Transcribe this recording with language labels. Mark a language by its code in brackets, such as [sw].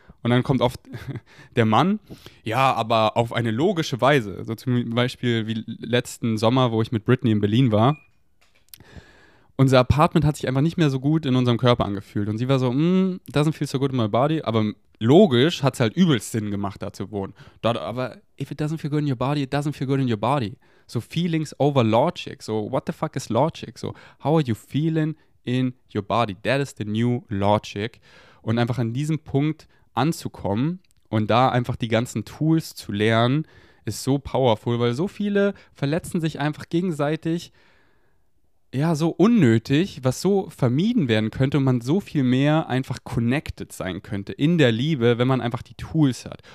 [de] Und dann kommt oft der Mann, ja, aber auf eine logische Weise. So zum Beispiel wie letzten Sommer, wo ich mit Britney in Berlin war. Unser Apartment hat sich einfach nicht mehr so gut in unserem Körper angefühlt. Und sie war so, [en] doesn't feel so good in my body. [de] Aber logisch hat es halt übelst Sinn gemacht, da zu wohnen. [en] Aber if it doesn't feel good in your body, it doesn't feel good in your body. So feelings over logic. So what the fuck is logic? So how are you feeling in your body? That is the new logic. [de] Und einfach an diesem Punkt anzukommen und da einfach die ganzen Tools zu lernen, ist [en] so powerful, [de] weil so viele verletzen sich einfach gegenseitig, ja, so unnötig, was so vermieden werden könnte und man so viel mehr einfach connected sein könnte in der Liebe, wenn man einfach die Tools hat.